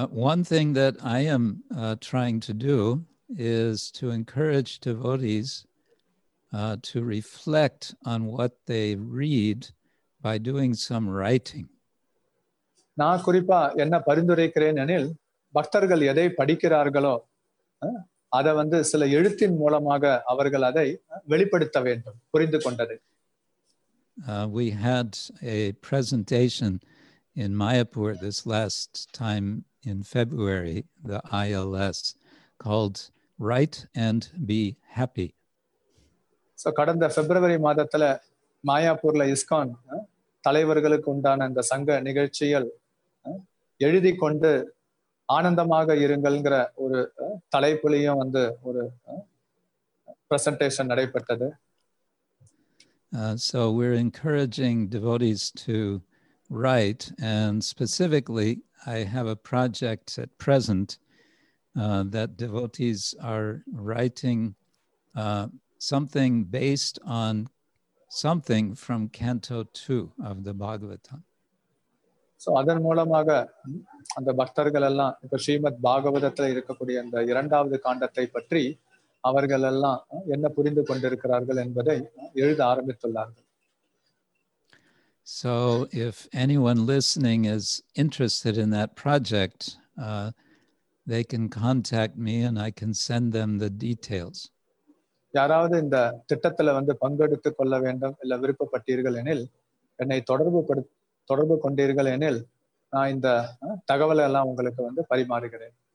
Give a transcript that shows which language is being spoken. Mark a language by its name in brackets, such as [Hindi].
[English] One thing that I am trying to do is to encourage devotees to reflect on what they read by doing some writing. [Tamil] நான் குறிப்பா என்ன பரிந்துரைக்கிறேன் எனில் பக்தர்கள் எதை படிக்கிறார்களோ அதை வந்து சில எழுத்தின் மூலமாக அவர்கள் அதை வெளிப்படுத்த வேண்டும். புரிந்து கொண்டது. [English] We had a presentation in Mayapur this last time in February, the ILS, called Write and Be Happy. [Tamil] So கடந்த பிப்ரவரி மாதத்துல மாயாப்பூர்ல இஸ்கான் தலைவர்களுக்கு உண்டான அந்த சங்க நிகழ்ச்சியில் எழுதி கொண்டு ஆனந்தமாக இருங்கள்ங்கிற ஒரு தலைப்புலையும் வந்து ஒரு பிரசன்டேஷன் நடைபெற்றது. [English] So we're encouraging devotees to write, and specifically I have a project at present that devotees are writing something based on something from Canto 2 of the Bhagavatam. [Tamil] So அதன் மூலமாக அந்த பக்தர்கள் எல்லாம் இப்ப ஸ்ரீமத் பாகவதத்துல இருக்கக்கூடிய அந்த இரண்டாவது காண்டத்தை பற்றி அவர்கள் எல்லாம் என்ன புரிந்து கொண்டிருக்கிறார்கள் என்பதை எழுத ஆரம்பித்துள்ளார்கள். [English] So if anyone listening is interested in that project, they can contact me and I can send them the details. [Tamil] யாராவது இந்த திட்டத்துல வந்து பங்கெடுத்துக் கொள்ள வேண்டும் இல்ல விருப்பப்பட்டீர்கள் எனில் என்னை தொடர்பு கொண்டீர்கள் எனில் நான் இந்த தகவலை எல்லாம் உங்களுக்கு வந்து பரிமாறுகிறேன்.